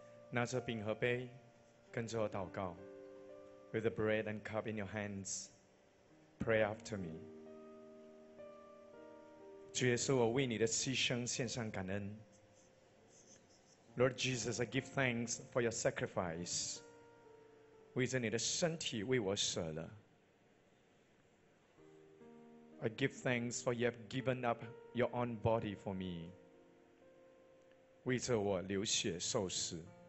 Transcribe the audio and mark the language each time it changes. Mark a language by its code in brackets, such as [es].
[zh] 拿着饼和杯，跟着我祷告。 [en] With the bread and cup in your hands, pray after me. [zh] 主耶稣，我为你的牺牲献上感恩。 [en] Lord Jesus, I give thanks for your sacrifice. [zh] 为着你的身体为我舍了。 [en] I give thanks for you have given up your own body for me. [zh] 为着我流血受死。